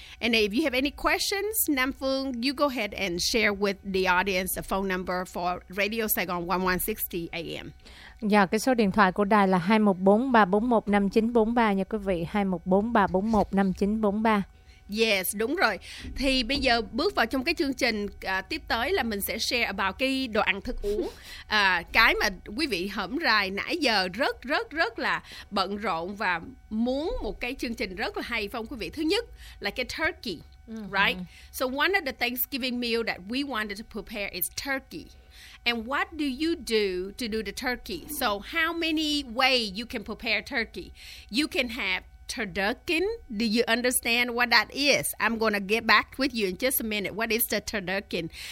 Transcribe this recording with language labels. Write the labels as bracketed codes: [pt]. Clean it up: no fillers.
[en] And if you have any questions, Nam Phương, you go ahead and share with the audience the phone number for Radio Saigon 1160 AM. [vi] Dạ, cái số điện thoại của đài là 214-341-5943 nha quý vị. 214-341-5943. Yes, đúng rồi. Thì bây giờ bước vào trong cái chương trình tiếp tới là mình sẽ [en] share about [vi] cái đồ ăn thức uống. Cái mà quý vị hổm rài nãy giờ rất là bận rộn và muốn một cái chương trình rất là hay phong quý vị. Thứ nhất là cái turkey, right? [en] So one of the Thanksgiving meal that we wanted to prepare is turkey. And what do you do to do the turkey? So how many ways you can prepare turkey? You can have turducken. Do you understand what that is? I'm going to get back with you in just a minute. What is the turducken?